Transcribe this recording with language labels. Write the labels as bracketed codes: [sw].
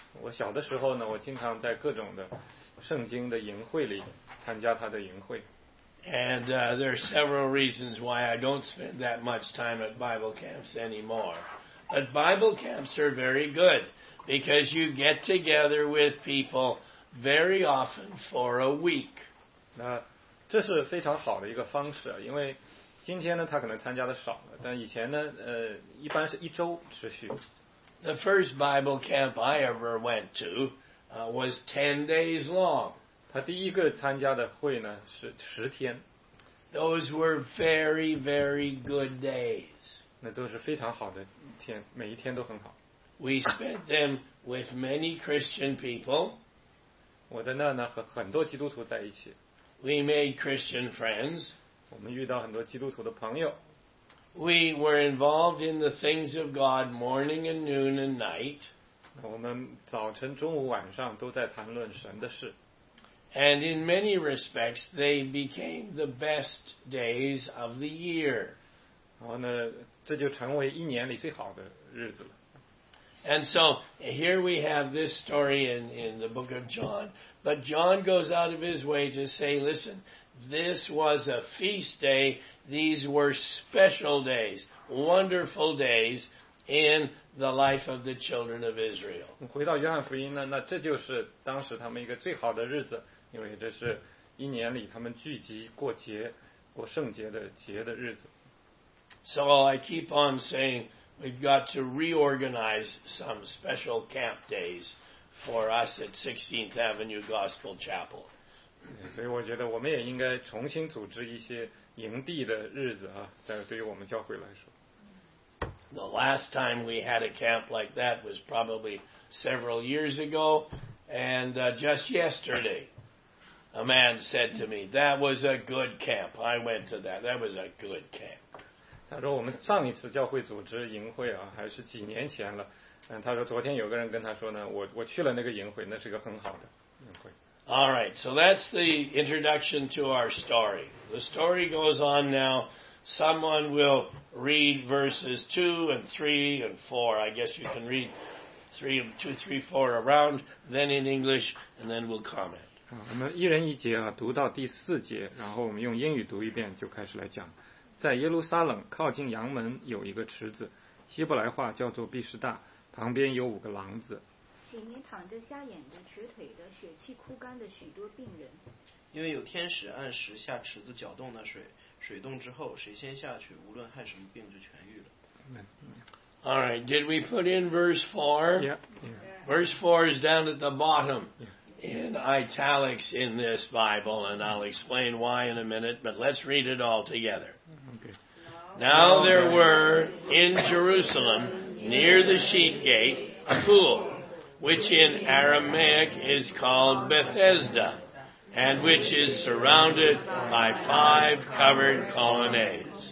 [zh] 我小的时候呢我经常在各种的圣经的营会里参加他的营会。 [en] And there are several reasons why I don't spend that much time at Bible camps anymore. But Bible camps are very good because you get together with people very often for a week. [zh] 那这是非常好的一个方式，因为今天呢他可能参加的少了，但以前呢一般是一周持续。 [en] The first Bible camp I ever went to was 10 days long. [zh] 他第一个参加的会呢是十天。 [en] Those were very, very good days. [zh] 那都是非常好的天，每一天都很好。 [en] We spent them with many Christian people. [zh] 我在那呢和很多基督徒在一起。 [en] We made Christian friends. [zh] 我们遇到很多基督徒的朋友。 [en] We were involved in the things of God morning and noon and night. [zh] 我们早晨、中午、晚上都在谈论神的事。 [en] And in many respects, they became the best days of the year. [zh] 然后呢，这就成为一年里最好的日子了。 [en] And so, here we have this story in the book of John. But John goes out of his way to say, listen, this was a feast day. These were special days, wonderful days in the life of the children of Israel. [zh] 回到约翰福音呢，那这就是当时他们一个最好的日子。因为这是一年里他们聚集过节过圣节的节的日子 [en] So I keep on saying we've got to reorganize some special camp days for us at 16th Avenue Gospel Chapel [zh] 所以我觉得我们也应该重新组织一些营地的日子啊，在对于我们教会来说。 [en] The last time we had a camp like that was probably several years ago, and just yesterday, a man said to me, "That was a good camp. I went to that. That was a good camp." [zh] 他说我们上一次教会组织营会啊，还是几年前了。嗯，他说昨天有个人跟他说呢，我去了那个营会，那是个很好的营会。 [en] All right, so that's the introduction to our story. The story goes on now. Someone will read verses 2 and 3 and 4. I guess you can read 2, 3, 4 around, then in English, and then we'll comment. [zh] 我们一人一节啊，读到第四节，然后我们用英语读一遍，就开始来讲。在耶路撒冷靠近阳门有一个池子，希伯来话叫做毕士大，旁边有五个廊子。里面躺着瞎眼的、瘸腿的、血气枯干的许多病人。因为有天使按时下池子搅动那水，水动之后，谁先下去，无论害什么病，就痊愈了。 [en] All right, did we put in verse 4? Yeah. Verse 4 is down at the bottom in italics in this Bible, and I'll explain why in a minute, but let's read it all together. Okay. Now there were in Jerusalem, near the sheep gate, a pool, which in Aramaic is called Bethesda, and which is surrounded by five covered colonnades.